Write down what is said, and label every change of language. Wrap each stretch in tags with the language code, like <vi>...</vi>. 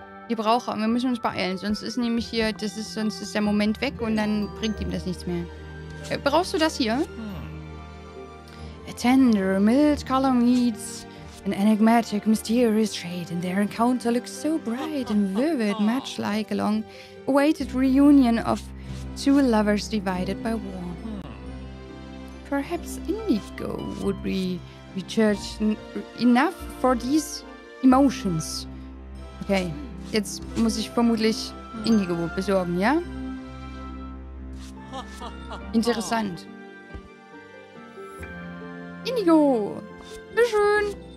<de>Die brauchen wir. Wir müssen uns beeilen, sonst ist nämlich hier, sonst ist der Moment weg und dann bringt ihm das nichts mehr. Brauchst du das hier?</de> <en>A tender, mild color meets an enigmatic, mysterious shade, and their encounter looks so bright and vivid, much like a long-awaited reunion of two lovers divided by war. perhaps indigo would be researched enough for these emotions.</en> <de>Okay, jetzt muss ich vermutlich Indigo besorgen, ja? Interessant. Indigo! Bitteschön!</de>